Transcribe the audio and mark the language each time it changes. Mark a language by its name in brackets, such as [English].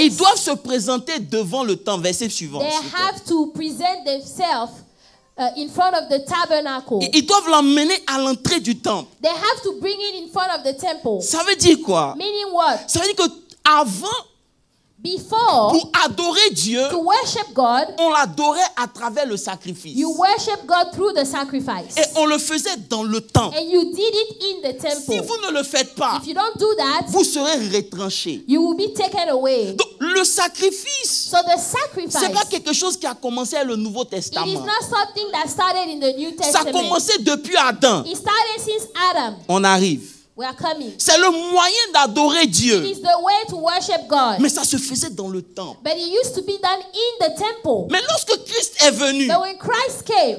[French] ils doivent se présenter devant le temple, verset suivant. [English] They have to present themselves in front of the tabernacle. [French] Ils doivent l'emmener à l'entrée du temple. [English] They have to bring it in front of the temple. [French] Ça veut dire quoi? [English] Meaning what? [French] Ça veut dire que avant, [English] before, [French] pour adorer Dieu, [English] to worship God, [French] on l'adorait à travers le sacrifice. [English] You worship God through the sacrifice. [French] Et on le faisait dans le temple. [English] And you did it in the temple. [French] Si vous ne le faites pas, [English] if you don't do that, [French] vous serez retranché. [English] You will be taken away. [French] Donc, le sacrifice, [English] so the sacrifice, [French] c'est pas quelque chose qui a commencé avec le Nouveau Testament. [English] It is not something that started in the New Testament. [French] Ça a commencé depuis Adam. [English] It started since Adam. [French] On arrive. [English] We are coming. [French] C'est le moyen d'adorer Dieu. [English] It is the way to worship God. [French] Mais ça se faisait dans le temple. [English] But it used to be done in the temple. [French] Mais lorsque Christ est venu, [English] but when Christ came,